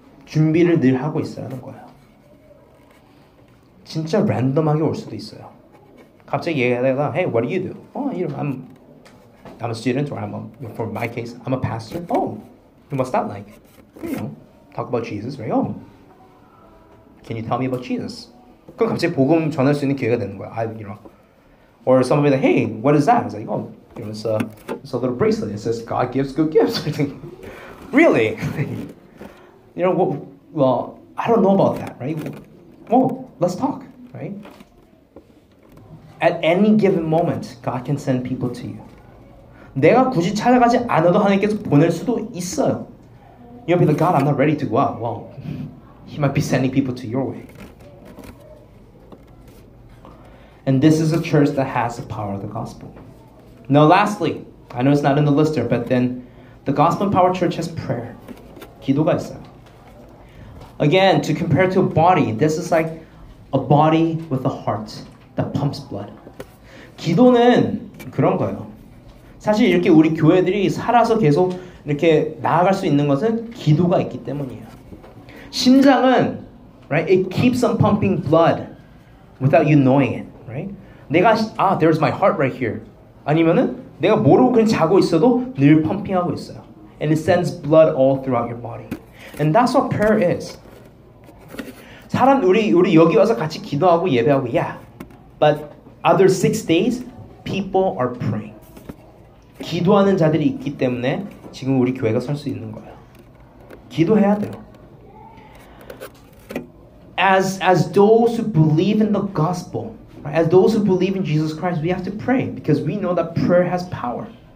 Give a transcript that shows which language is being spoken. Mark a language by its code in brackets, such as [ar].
[ko] 준비를 늘 하고 있어야 하는 거예요. 진짜 랜덤하게 올 수도 있어요. 갑자기 얘기하다가, [en] Hey, what do you do? Oh, you know, I'm a student, or for my case, I'm a pastor. Oh, what's that like? You know, talk about Jesus, right? Oh, can you tell me about Jesus? [ko] 그럼 갑자기 복음 전할 수 있는 기회가 되는 거야. [en] You know, or somebody like, Hey, what is that? It's like, oh, you know, it's a little bracelet. It says, God gives good gifts. Really? You know, well, I don't know about that, right? Well, let's talk, right? At any given moment, God can send people to you. [ko] 내가 굳이 찾아가지 않아도 하나님께서 보낼 수도 있어요. [en] You'll be like, God, I'm not ready to go out. Well, he might be sending people to your way. And this is a church that has the power of the gospel. Now, lastly, I know it's not in the list here, but then the gospel power church has prayer. [ko] 기도가 있어요. [en] Again, to compare to a body, this is like a body with a heart that pumps blood. [ko] 기도는 그런 거예요. 사실 이렇게 우리 교회들이 살아서 계속 이렇게 나아갈 수 있는 것은 기도가 있기 때문이에요. 심장은, [en] right, it keeps on pumping blood without you knowing it, right? [ko] 내가, [en] there's my heart right here. [ko] 아니면은 내가 모르고 그냥 자고 있어도 늘 펌핑하고 있어요. [en] And it sends blood all throughout your body. And that's what prayer is. [ko] 사람, 우리 여기 와서 같이 기도하고 예배하고, yeah. [en] But other 6 days, people are praying. [ko] 기도하는 자들이 있기 때문에 지금 우리 교회가 설 수 있는 거예요. 기도해야 돼요. [en] As those who believe in the gospel, right, as those who believe in Jesus Christ, we have to pray because we know that prayer has power.